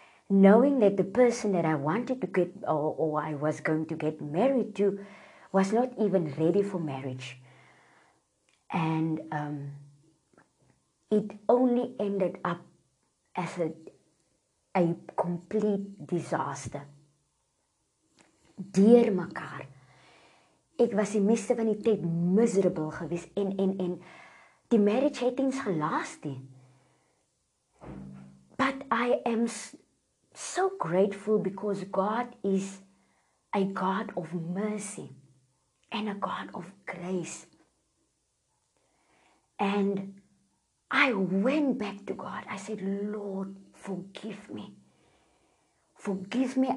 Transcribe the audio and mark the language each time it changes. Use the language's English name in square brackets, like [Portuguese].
[English] Knowing that the person that I wanted to get or I was going to get married to was not even ready for marriage. And it only ended up as a complete disaster. [Afrikaans] Deur mekaar. Ek was die meeste van die tyd miserable gewees en die marriage het eens gelast nie. [English] But I am so grateful because God is a God of mercy and a God of grace. And I went back to God. I said, Lord, forgive me. Forgive me.